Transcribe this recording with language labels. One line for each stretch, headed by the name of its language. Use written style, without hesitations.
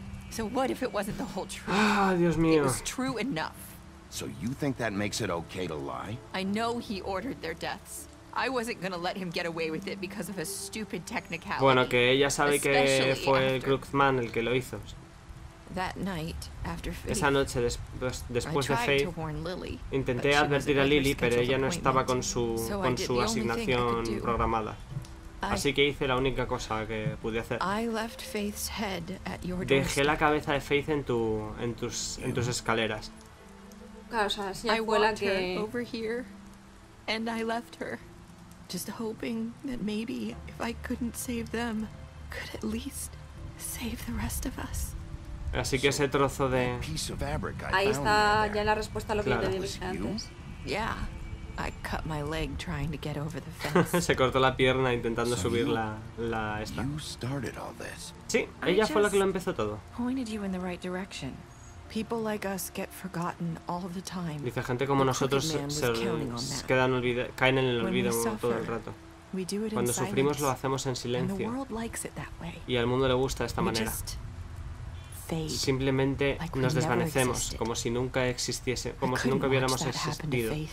English: So what if it wasn't the whole truth?
Spanish: Ah, Dios mío.
English: It was true enough. So you think that makes it okay to lie? I know he ordered their deaths. I wasn't gonna let him get away with it because of a stupid technicality.
Spanish: Bueno, que ella sabe que fue el Crookman el que lo hizo.
English: That night, after Faith,
Spanish: esa noche después de Faith, intenté advertir a Lily, pero ella no estaba con su asignación programada. Así que hice la única cosa que pude hacer. Dejé la cabeza de Faith en tus escaleras. Claro, o sea, si ya fue la que...
English: Over here, and I left her, just hoping that maybe if I couldn't save them, could at least save the rest of us.
Spanish: Así que ese trozo de... Ahí está ya la respuesta a lo que claro. Te dije antes.
English: Yeah, I cut my leg trying to get over the fence.
Spanish: Se cortó la pierna intentando subir la esta.
English: You started all this.
Spanish: Sí, ella fue la que lo empezó todo.
English: Pointed you in the right direction. People like us get forgotten all the time.
Spanish: Dice, gente como nosotros caen en el olvido todo el rato. Cuando sufrimos lo hacemos en silencio. Y al mundo le gusta de esta manera. Simplemente nos desvanecemos, como si nunca existiese, como si nunca hubiéramos existido.